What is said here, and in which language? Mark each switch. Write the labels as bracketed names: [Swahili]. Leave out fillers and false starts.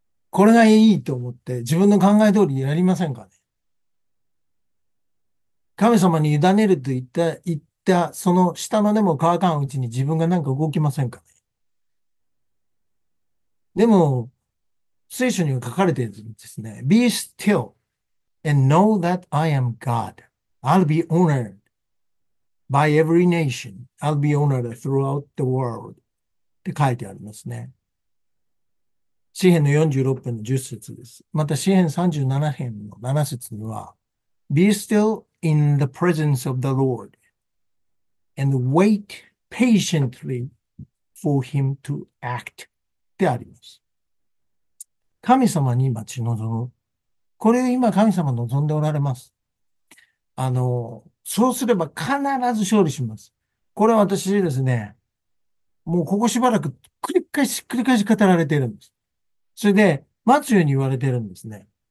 [Japanese] これがいいと思って自分の考え通りにやりませんかね。神様に委ねると言ったその舌の根も乾かんうちに自分が何か動きませんかね。でも、聖書には書かれているんですね。 [English] Be still and know that I am God. I'll be honored by every nation. I'll be honored throughout the world. [Japanese] って書いてありますね。詩編の46編の10節です。また詩編37編の7節には、 [English] Be still in the presence of the Lord and wait patiently for him to act. [Japanese] ってあります。神様に待ち望む。これ今神様望んでおられます。そうすれば必ず勝利します。これは私ですね、もうここしばらく繰り返し語られているんです。それで、待つように言われているんですね。